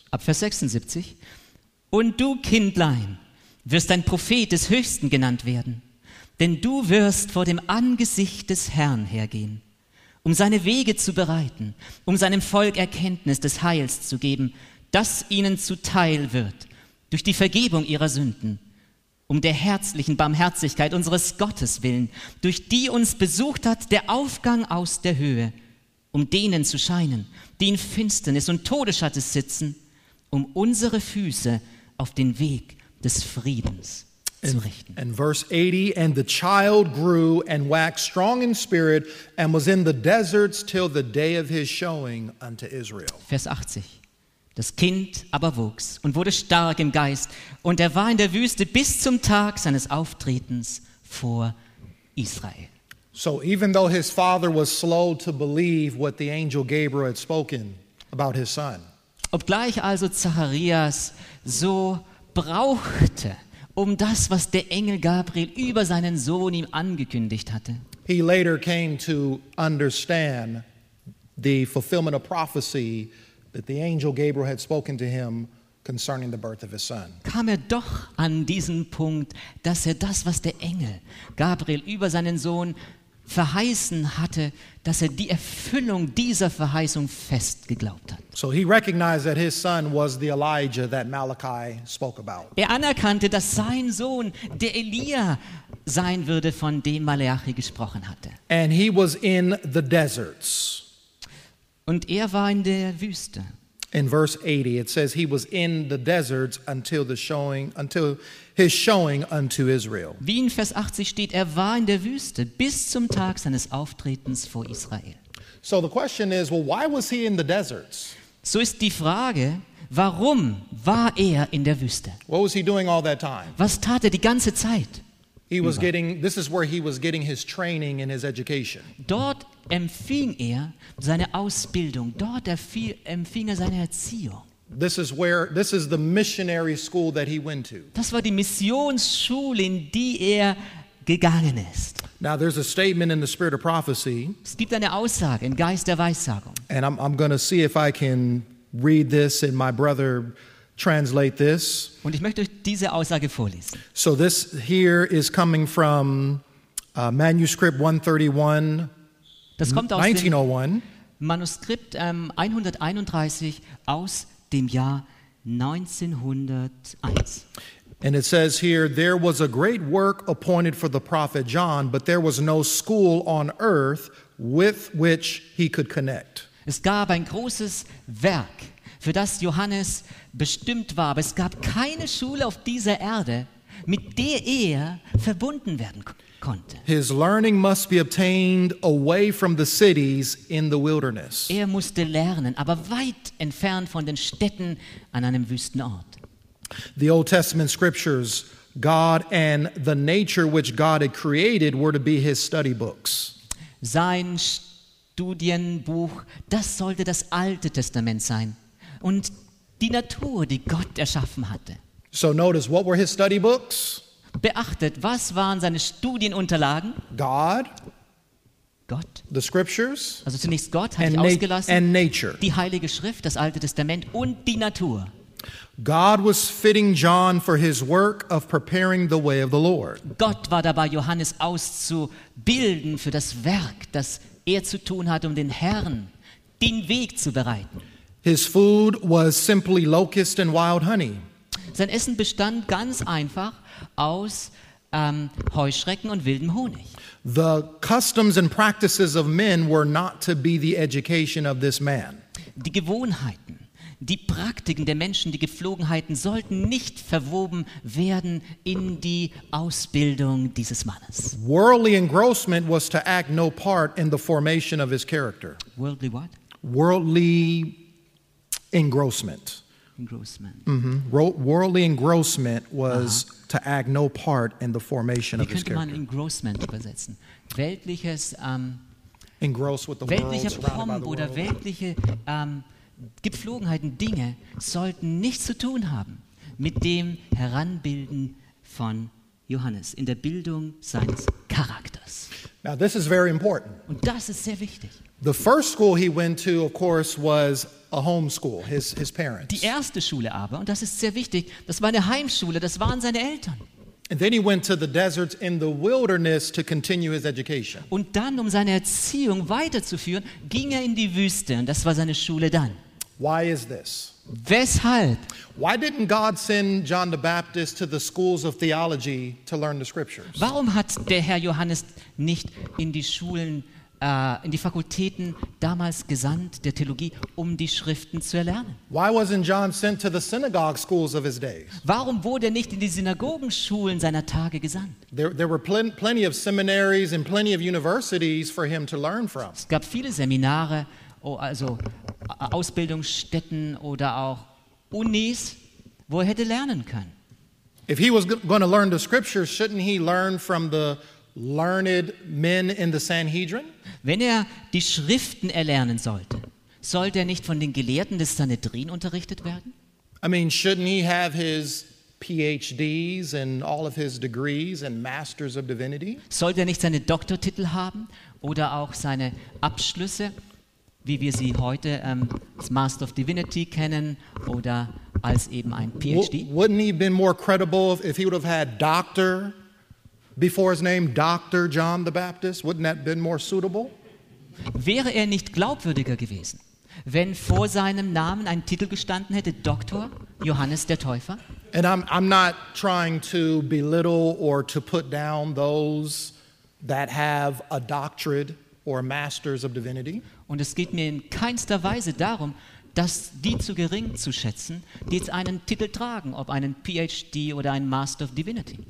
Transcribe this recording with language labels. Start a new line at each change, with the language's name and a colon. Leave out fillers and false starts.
German: Ab Vers 76. Und du, Kindlein, wirst ein Prophet des Höchsten genannt werden, denn du wirst vor dem Angesicht des Herrn hergehen, um seine Wege zu bereiten, um seinem Volk Erkenntnis des Heils zu geben, das ihnen zuteil wird durch die Vergebung ihrer Sünden, um der herzlichen Barmherzigkeit unseres Gottes willen, durch die uns besucht hat der Aufgang aus der Höhe, um denen zu scheinen, die in Finsternis und Todesschatten sitzen, um unsere Füße auf den Weg des Friedens zu richten.
English: And verse 80, and the child grew and waxed strong in spirit and was in the deserts till the day of his showing unto Israel.
German: Vers 80, das Kind aber wuchs und wurde stark im Geist und er war in der Wüste bis zum Tag seines Auftretens vor Israel.
English: So even though his father was slow to believe what the angel Gabriel had spoken about his son.
German: Obgleich also Zacharias so brauchte, um das, was der Engel Gabriel über seinen Sohn ihm angekündigt hatte.
English: He later came to understand the fulfillment of prophecy that the angel Gabriel had spoken to him concerning the birth of his son.
German: Kam er doch an diesen Punkt, dass er das, was der Engel Gabriel über seinen Sohn verheißen hatte, dass er die Erfüllung dieser Verheißung fest geglaubt hat.
English: So he recognized that his son was the Elijah that Malachi spoke about.
German: Er anerkannte, dass sein Sohn der Elia sein würde, von dem Malachi gesprochen hatte.
English: And he was in the deserts.
German: Und er war in der Wüste.
English: In verse 80 it says he was in the deserts until his showing unto Israel.
German: Wie in Vers 80 steht, er war in der Wüste bis zum Tag seines Auftretens vor Israel.
English: So the question is, well, why was he in the deserts?
German: So ist die Frage, warum war er in der Wüste?
English: What was he doing all that time?
German: Was tat er die ganze Zeit?
English: This is where he was getting his training and his education.
German: Dort empfing er seine Ausbildung. Dort empfing er seine Erziehung.
English: This is the missionary school that he went to.
German: Das war die Missionsschule, in die er gegangen ist.
English: Now there's a statement in the spirit of prophecy.
German: Es gibt eine Aussage im Geist der Weissagung.
English: And I'm going to see if I can read this in my brother translate this.
German: Und ich möchte euch diese Aussage vorlesen.
English: So this here is coming from manuscript 131.
German: Das kommt aus 1901. Dem Manuskript 131 aus dem Jahr 1901.
English: And it says here, there was a great work appointed for the prophet John, but there was no school on earth with which he could connect.
German: Es gab ein großes Werk, für das Johannes bestimmt war, aber es gab keine Schule auf dieser Erde, mit der er verbunden werden konnte.
English: His learning must be obtained away from the cities in the wilderness.
German: Er musste lernen, aber weit entfernt von den Städten an einem Wüstenort.
English: The Old Testament scriptures, God and the nature which God had created were to be his study books.
German: Sein Studienbuch, das sollte das Alte Testament sein. Und die Natur, die Gott erschaffen hatte.
English: So notice, what were his study books?
German: Beachtet, was waren seine Studienunterlagen?
English: God.
German: Gott.
English: The scriptures.
German: Also zunächst Gott, hat sich ausgelassen.
English: And nature.
German: Die Heilige Schrift, das Alte Testament und die Natur.
English: God was fitting John for his work of preparing the way of the Lord.
German: Gott war dabei, Johannes auszubilden für das Werk, das er zu tun hat, um den Herrn den Weg zu bereiten.
English: His food was simply locust and wild honey.
German: Sein Essen bestand ganz einfach aus Heuschrecken und wildem Honig.
English: The customs and practices of men were not to be the education of this man.
German: Die Gewohnheiten, die Praktiken der Menschen, die Gepflogenheiten sollten nicht verwoben werden in die Ausbildung dieses Mannes.
English: Worldly engrossment was to act no part in the formation of his character. Worldly what? Worldly engrossment. Engrossment. Worldly engrossment was to act no part in the formation of his character.
German: Wie könnte man engrossment übersetzen? Weltliches,
English: engross with the
German: weltlicher
English: world, surrounded by the world.
German: Oder weltliche, Gepflogenheiten, Dinge sollten nichts zu tun haben mit dem Heranbilden von Johannes in der Bildung seines Charakters.
English: Now this is very important.
German: Und das ist sehr wichtig.
English: The first school he went to, of course, was a homeschool, his parents.
German: Die erste Schule aber, und das ist sehr wichtig, das war eine Heimschule, das waren seine Eltern.
English: And then he went to the deserts in the wilderness to continue his education.
German: Und dann, um seine Erziehung weiterzuführen, ging er in die Wüste, und das war seine Schule dann.
English: Why is this?
German: Weshalb?
English: Why didn't God send John the Baptist to the schools of theology to learn the scriptures?
German: Warum hat der Herr Johannes nicht in die Schulen, in die Fakultäten damals gesandt der Theologie, um die Schriften zu erlernen?
English: Why wasn't John sent to the synagogue schools of his days?
German: Warum wurde er nicht in die Synagogenschulen seiner Tage gesandt?
English: There were plenty of seminaries and plenty of universities for him to learn from.
German: Es gab viele Seminare. Oh, also Ausbildungsstätten oder auch Unis, wo er hätte lernen können.
English: If he was going to learn the scriptures, shouldn't he learn from the learned men in the Sanhedrin?
German: Wenn er die Schriften erlernen sollte, sollte er nicht von den Gelehrten des Sanhedrin unterrichtet werden?
English: I mean, shouldn't he have his PhDs and all of his degrees and masters of divinity?
German: Sollte er nicht seine Doktortitel haben oder auch seine Abschlüsse, wie wir sie heute als Master of Divinity kennen oder als eben ein PhD.
English: Wouldn't he have been more credible if he would have had doctor before his name, Dr. John the Baptist? Wouldn't that have been more suitable?
German: Wäre er nicht glaubwürdiger gewesen, wenn vor seinem Namen ein Titel gestanden hätte, Dr. Johannes der Täufer?
English: And I'm not trying to belittle or to put down those that have a doctorate or masters of divinity.
German: Und es geht mir in keinster Weise darum, dass die zu gering zu schätzen, die jetzt einen Titel tragen, ob einen PhD oder einen Master of Divinity.